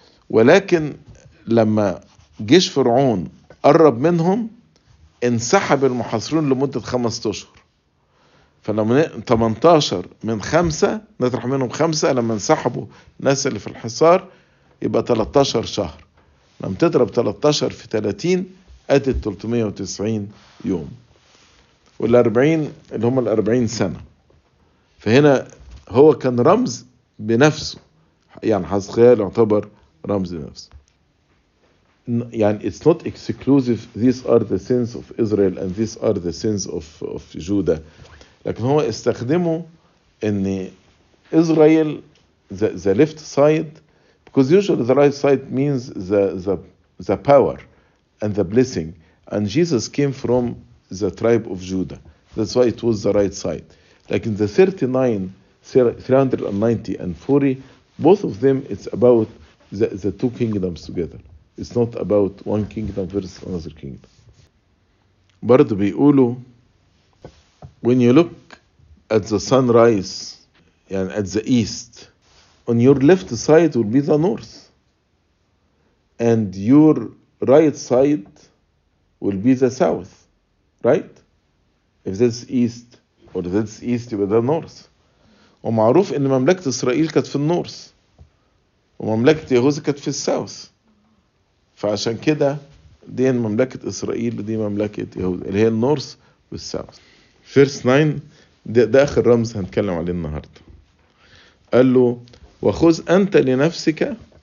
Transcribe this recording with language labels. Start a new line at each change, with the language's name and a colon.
Arabic: ولكن لما جيش فرعون قرب منهم انسحب المحاصرون لمدة 5 أشهر، فلما 18 من 5 نطرح منهم 5 لما انسحبوا الناس اللي في الحصار يبقى 13 شهر، لما تضرب 13 في 30 أدي 390 يوم، والأربعين اللي هم الأربعين سنة. فهنا هو كان رمز بنفسه، يعني حزقيال يعتبر رمز بنفسه.
English: يعني it's not exclusive these are the sins of Israel and these are the sins of Judah،
Arabic: لكن هو استخدمه ان
English: Israel the left side because usually the right side means the power and the blessing and Jesus came from the tribe of Judah that's why it was the right side، لكن the 390 and 40 both of them it's about the two kingdoms together it's not about one kingdom versus another kingdom.
Arabic: برضو بيقولوا
English: when you look at the sunrise يعني at the east on your left side will be the north and your right side will be the south right if that's east or that's east you're the north.
Arabic: ومعروف ان مملكة اسرائيل كانت في النورث ومملكة يهوذا كانت في الساوث، فعشان كده دي مملكة اسرائيل دي مملكة يهوذا اللي هي النورث والساوث. فيرس 9 ده اخر رمز هنتكلم عليه النهاردة. قال له وخذ انت لنفسك